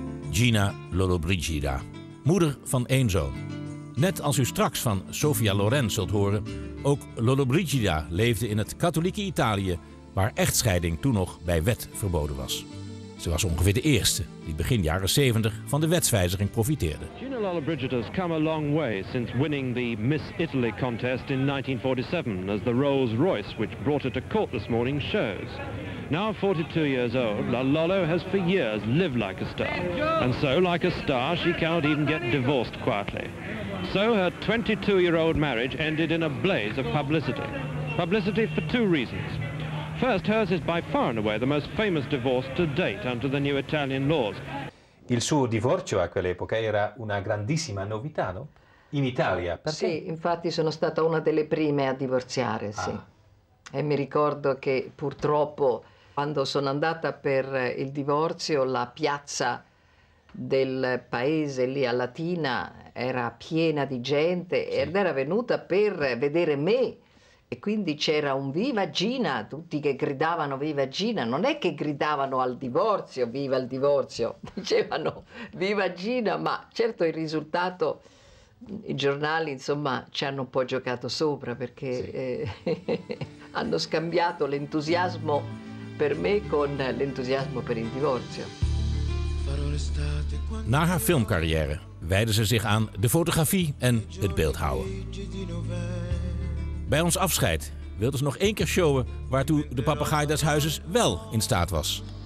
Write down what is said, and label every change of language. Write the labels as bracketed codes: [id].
[nl] Gina Lollobrigida, moeder van één zoon. Net als u straks van Sophia Loren zult horen, ook Lollobrigida leefde in het katholieke Italië, waar echtscheiding toen nog bij wet verboden was. Ze was ongeveer de eerste die begin jaren 70 van de wetswijziging profiteerde. [en] Gina Lollobrigida has come a long way since winning the Miss Italy contest in 1947, as the Rolls-Royce which brought her to court this morning shows. Now 42 years old, La Lolo has for years lived like a star. And so, like a star, she cannot even get divorced quietly. So her 22-year-old marriage ended in a blaze of publicity. Publicity for two reasons. First, hers is by far and away the most famous divorce to date under the new Italian laws. [it] Il suo divorzio a quell'epoca era una grandissima novità, no? In Italia, perché? Sì, infatti sono stata una delle prime a divorziare, sì. Ah. E mi ricordo che purtroppo quando sono andata per il divorzio, la piazza del paese lì a Latina era piena di gente, sì. Ed era venuta per vedere me. E quindi c'era un viva Gina, tutti che gridavano viva Gina. Non è che gridavano al divorzio, viva il divorzio. Dicevano viva Gina, ma certo il risultato, i giornali insomma ci hanno un po' giocato sopra perché sì. hanno scambiato l'entusiasmo per me con l'entusiasmo per il divorzio. [nl] Na haar filmcarrière wijdde ze zich aan de fotografie en het beeldhouden. Bij ons afscheid wilde ze nog één keer showen waartoe de papegaai des huizes wel in staat was.